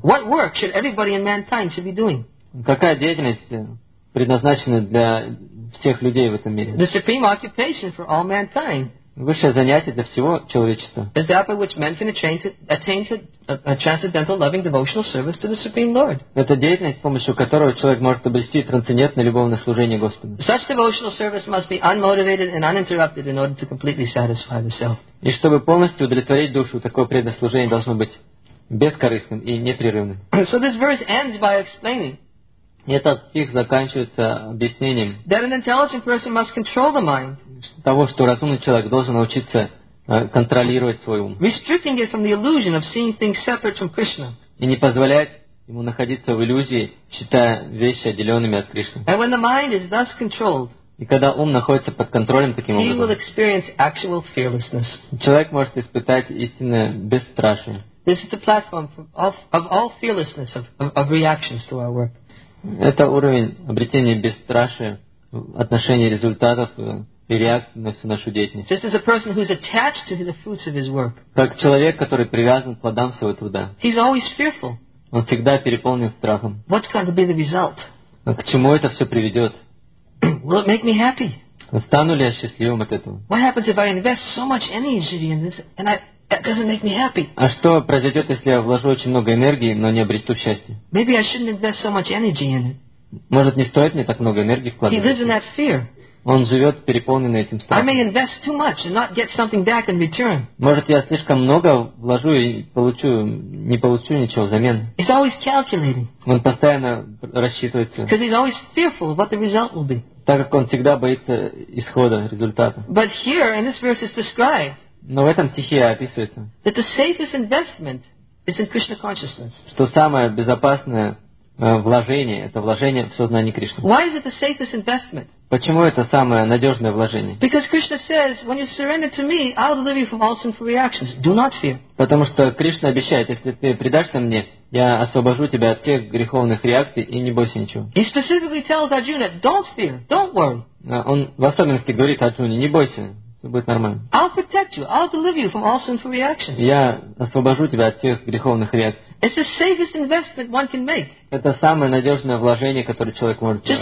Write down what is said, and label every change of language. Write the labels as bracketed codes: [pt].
[en] What work should everybody in mankind should be doing? [ru] Какая деятельность предназначены для всех людей в этом мире? [en] The supreme occupation for all mankind. [ru] высшее занятие для всего человечества. [en] Is that by which men can attain to a transcendental loving devotional service to the Supreme Lord. [ru] Это деятельность, с помощью которой человек может обрести трансцендентное любовное служение Господу. [en] Such devotional service must be unmotivated and uninterrupted in order to completely satisfy the self. [ru] И чтобы полностью удовлетворить душу, такое преданное служение должно быть бескорыстным и непрерывным. [en] So this verse ends by explaining. [ru] Этот стих заканчивается объяснением. [en] That an intelligent person must control the mind. [ru] Того, что разумный человек должен научиться контролировать свой ум. [en] Restricting it from the illusion of seeing things separate from Krishna. [ru] И не позволять ему находиться в иллюзии, считая вещи отделенными от Кришны. [en] And when the mind is thus controlled. [ru] И когда ум находится под контролем таким образом. [en] He will experience actual fearlessness. [ru] Человек может испытать истинное бесстрашие. [en] This is the platform of all fearlessness of reactions to our work. [ru] Это уровень обретения бесстрашия в отношении результатов и реакции на всю нашу деятельность. [en] This is a person who is attached to the fruits of his work. [ru] Как человек, который привязан к плодам своего труда. [en] He's always fearful. [ru] Он всегда переполнен страхом. [en] What's going to be the result? [ru] К чему это все приведет? [en] Will it make me happy? [ru] Стану ли я счастливым от этого? [en] What happens if I invest so much energy in this and I... That doesn't make me happy. [ru] А что произойдет, если я вложу очень много энергии, но не обрету счастье? [en] Maybe I shouldn't invest so much energy in it. [ru] Может, не стоит мне так много энергии вкладывать? [en] He lives in that fear. [ru] Он живет переполненный этим страхом. [en] I may invest too much and not get something back in return. [ru] Может, я слишком много вложу и получу, не получу ничего взамен? [en] He's always calculating. [ru] Он постоянно рассчитывает все. [en] Because he's always fearful of what the result will be. [ru] Так как он всегда боится исхода, результата. [en] But here, in this verse, it's described. [ru] Но в этом стихе описывается, [en] that the safest investment is in Krishna consciousness. [ru] Что самое безопасное вложение – это вложение в сознание Кришны. [en] Why is it the safest investment? [ru] Почему это самое надежное вложение? [en] Because Krishna says, when you surrender to me, I will deliver you from all sinful reactions. Do not fear. [ru] Потому что Кришна обещает, если ты предашься мне, я освобожу тебя от всех греховных реакций и не бойся ничего. [en] He specifically tells Arjuna, don't fear, don't worry. [ru] Он в особенности говорит Арджуне, не бойся. Будет нормально. [en] I'll protect you. I'll deliver you from all sinful reactions. [ru] Я освобожу тебя от всех греховных реакций. [en] It's the safest investment one can make. [ru] Это самое надежное вложение, которое человек может сделать.